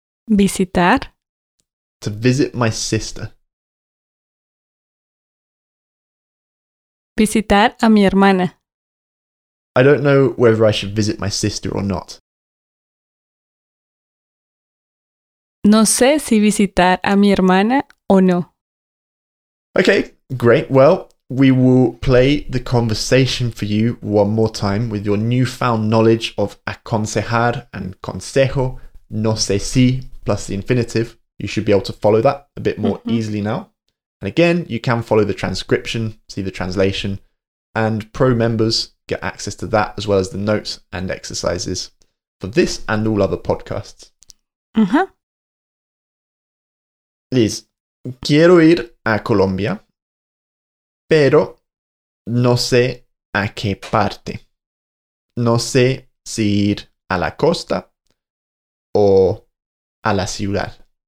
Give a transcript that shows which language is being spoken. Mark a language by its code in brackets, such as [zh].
[es] Visitar. [en] To visit my sister. [es] Visitar a mi hermana. [en] I don't know whether I should visit my sister or not. [es] No sé si visitar a mi hermana o no. [en] Okay, great. Well, we will play the conversation for you one more time with your newfound knowledge of aconsejar and consejo, [es] no sé si, [en] plus the infinitive. You should be able to follow that a bit more easily now. And again, you can follow the transcription, see the translation, and pro members get access to that as well as the notes and exercises for this and all other podcasts. Uh-huh. [es] Liz, quiero ir a Colombia, pero no sé a qué parte. no sé si ir a la costa o a la ciudad.